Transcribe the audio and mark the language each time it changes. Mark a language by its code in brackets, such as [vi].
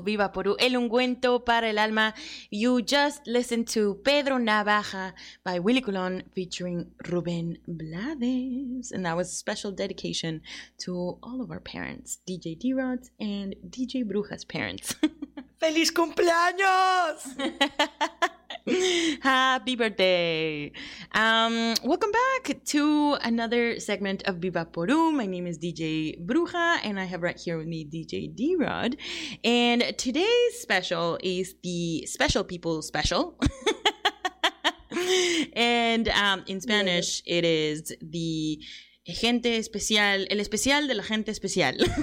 [es] Viva Porú, el ungüento para el alma. [en] You just listened to Pedro Navaja by Willy Colón featuring Rubén Blades. And that was a special dedication to all of our parents, DJ D-Rod's and DJ Bruja's parents. [es] ¡Feliz cumpleaños! [en] Happy birthday. Welcome back to another segment of Viva Porú. My name is DJ Bruja and I have right here with me DJ D-Rod. And today's special is the Special People Special. And in Spanish, yes. It is the [es] gente especial, el especial de la gente especial.